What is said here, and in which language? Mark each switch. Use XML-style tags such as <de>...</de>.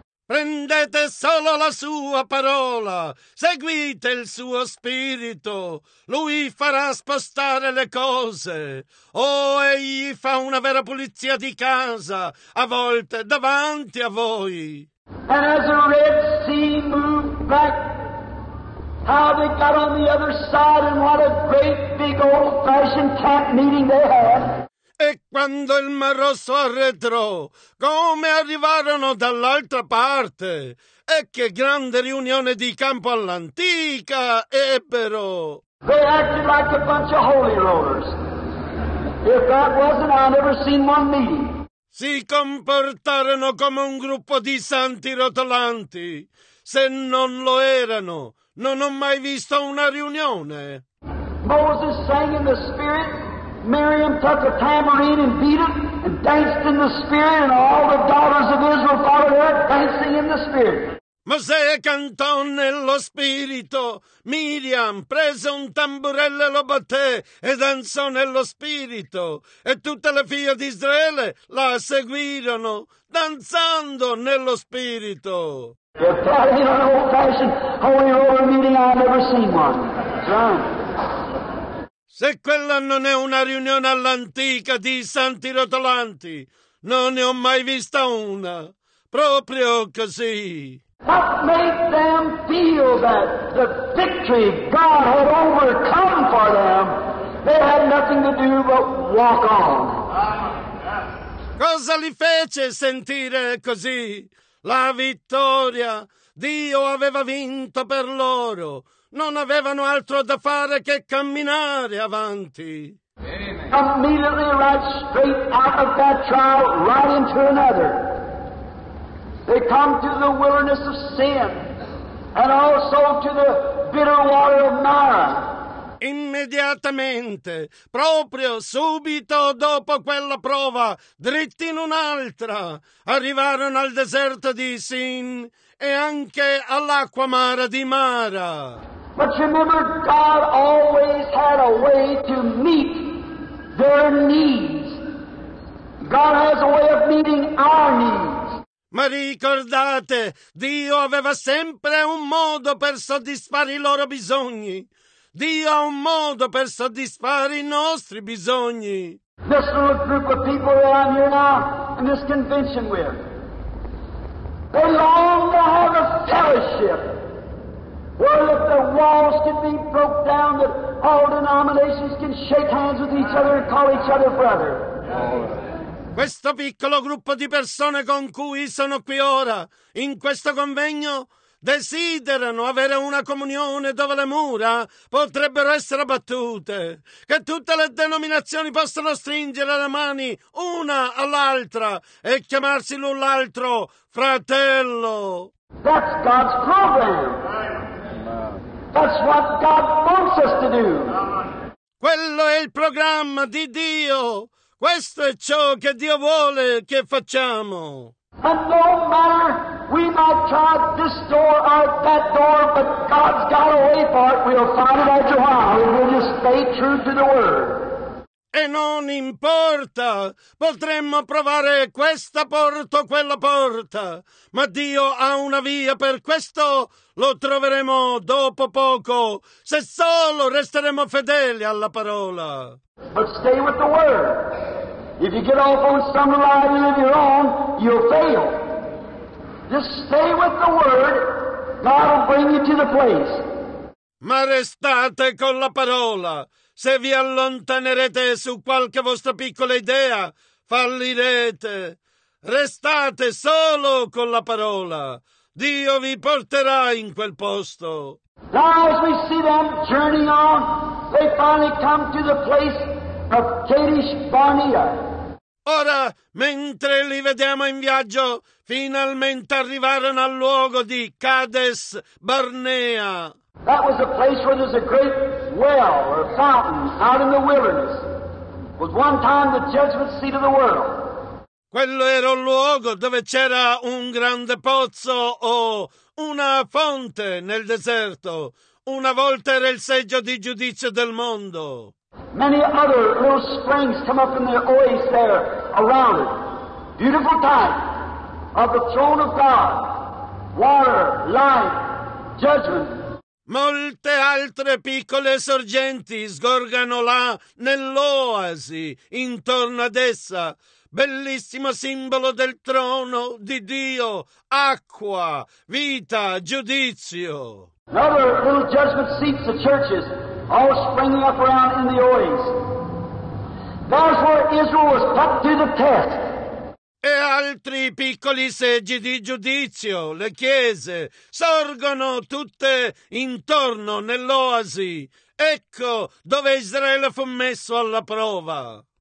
<it>Prendete solo la sua parola, seguite il suo spirito, lui farà spostare le cose. Oh, egli fa una vera pulizia di casa, a volte davanti a voi.</it> <en>And as the Red Sea moved back, how they got on the other side and what a great big old-fashioned camp meeting they had.</en> <it>E quando il Mar Rosso arretrò, come arrivarono dall'altra parte? E che grande riunione di campo all'antica ebbero!</it> <en>They acted like a bunch of holy rollers. If that wasn't, I've never seen one meeting.</en> <it>Si comportarono come un gruppo di santi rotolanti. Se non lo erano, non ho mai visto una riunione.</it> <en>Moses sang in the spirit. Miriam took a tambourine and beat it and danced in the spirit, and all the daughters of Israel followed her dancing in the spirit.</en> <it>Mosè cantò nello spirito. Miriam prese un tamburello e lo batté e danzò nello spirito. E tutte le figlie di Israele la seguirono danzando nello spirito.</it> <en>If that ain't an old-fashioned holy roller meeting, I've never seen one.</en> <it>Se quella non è una riunione all'antica di santi rotolanti, non ne ho mai vista una. Proprio così.</it> <en>What made them feel that the victory God had overcome for them, they had nothing to do but walk on.</en> <it>Cosa li fece sentire così? La vittoria Dio aveva vinto per loro, non avevano altro da fare che camminare avanti.</it> <en>Immediately right straight out of that trial, right into another. They come to the wilderness of sin and also to the bitter water of Marah.</en> <it>Immediatamente, proprio subito dopo quella prova, dritti in un'altra, arrivarono al deserto di Sin e anche all'acqua amara di Mara.</it> <en>But remember, God always had a way to meet their needs. God has a way of meeting our needs.</en> <it>Ma ricordate, Dio aveva sempre un modo per soddisfare i loro bisogni. Dio ha un modo per soddisfare i nostri bisogni.</it> <en>This little group of people that I'm here now in this convention with, they long to have a fellowship where if the walls could be broke down, that all denominations can shake hands with each other and call each other brother.</en> <it>Questo piccolo gruppo di persone con cui sono qui ora, in questo convegno, desiderano avere una comunione dove le mura potrebbero essere abbattute, che tutte le denominazioni possano stringere le mani una all'altra e chiamarsi l'un l'altro fratello.</it> <en>That's God's program. That's what God wants us to do.</en> <it>Quello è il programma di Dio. Questo è ciò che Dio vuole che facciamo.</it> <en>And no matter we might try this door or that door, but God's got a way for it. We'll find it after a while. We'll just stay true to the Word.</en> <it>E non importa, potremmo provare questa porta o quella porta, ma Dio ha una via per questo, lo troveremo dopo poco, se solo resteremo fedeli alla parola.</it> <en>But stay with the Word. If you get off on some line of your own, you'll fail. Just stay with the Word, God will bring you to the place.</en> <it>Ma restate con la parola. Se vi allontanerete su qualche vostra piccola idea, fallirete. Restate solo con la parola. Dio vi porterà in quel posto.</it> <en>Now as we see them journeying on, they finally come to the place of Kadesh Barnea.</en> <it>Ora, mentre li vediamo in viaggio, finalmente arrivarono al luogo di Kadesh Barnea.</it> <en>That was a place where there's a great well or a fountain out in the wilderness. It was one time the judgment seat of the world.</en> <it>Quello era un luogo dove c'era un grande pozzo o una fonte nel deserto. Una volta era il seggio di giudizio del mondo.</it> <en>Many other little springs come up in the oasis there around it. Beautiful type of the throne of God. Water, life, judgment.</en> <it>Molte altre piccole sorgenti sgorgano là nell'oasi, intorno ad essa. Bellissimo simbolo del trono di Dio, acqua, vita, giudizio.</it> <en>Another little judgment seats the churches, all springing up around in the oasis. That's where Israel was put to the test.</en> <it>E altri piccoli seggi di giudizio, le chiese, sorgono tutte intorno nell'oasi. Ecco dove Israele fu messo alla prova.</it>